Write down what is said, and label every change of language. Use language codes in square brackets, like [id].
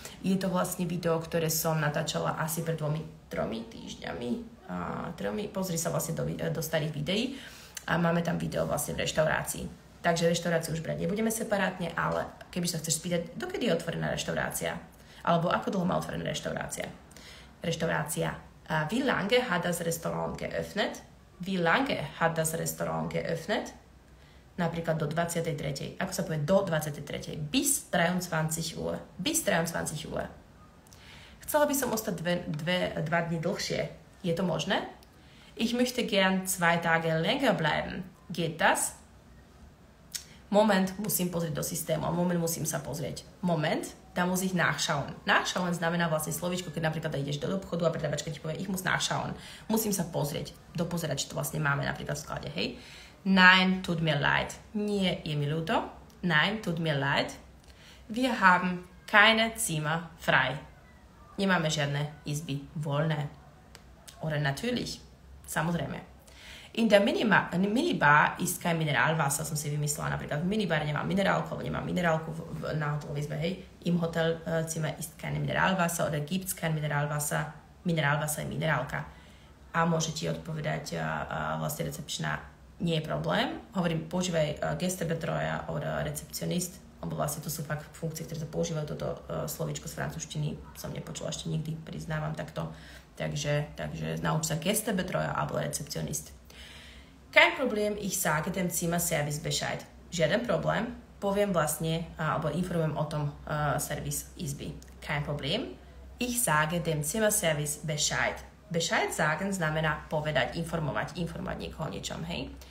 [sk] Je to vlastne video, ktoré som natáčala asi pred tromi týždňami. Pozri sa vlastne do starých videí. A máme tam video vlastne v reštaurácii. Takže reštauráciu už brať nebudeme separátne, ale keby sa chceš spýtať, dokedy je otvorená reštaurácia? Alebo ako dlho má otvorená reštaurácia? Reštaurácia. [de] Wie lange hat das Restaurant geöffnet? Wie lange hat das Restaurant geöffnet? [sk] Napríklad do 23. Ako sa povie do 23. [de] Bis 23 Uhr. Bis 23 Uhr. [sk] Chcela by som ostať dva dni dlhšie. Je to možné? [de] Ich möchte gern zwei Tage länger bleiben. Geht das? [sk] Moment, musím pozrieť do systému. Moment, musím sa pozrieť. [de] Moment, da muss ich nachschauen. [sk] Nachschauen znamená vlastne slovíčko, keď napríklad ideš do obchodu a predavačka ti povie, [de] ich muss nachschauen. [sk] Musím sa pozrieť, dopozerať, či to vlastne máme napríklad v sklade, hej? [de] Nein, tut mir leid. [sk] Nie, je mi ľúto. [de] Nein, tut mir leid. Wir haben keine Zimmer frei. [sk] Nemáme žiadne izby voľné. [de] Oder natürlich. [sk] Samozrejme. [de] In der minibar ist kein Mineralwasser, [sk] som si vymyslela. Napríklad v minibare nemám minerálku, alebo nemám minerálku na hotelovej izbe, hej. [de] Im hotel Zimmer ist kein Mineralwasser, oder gibt's kein Mineralwasser. [sk] Mineralwasser je minerálka. A môže ti odpovedať vlastne recepčná, nie je problém. Hovorím, používaj Gästebetreuer oder recepcionist, lebo vlastne to sú fakt funkcie, ktoré sa používajú, toto slovíčko z francúzštiny som nepočula ešte nikdy, priznávam takto. Takže nauč sa Gästebetreuer alebo recepcionist. [de] Kein Problem, ich sage dem Zimmer Service Bescheid. [sk] Žiaden problém, poviem vlastne, alebo informujem o tom servis izby. [de] Kein Problem, ich sage dem Zimmer Service Bescheid. [sk] Bescheid sagen znamená povedať, informovať niekoho o niečom, hej.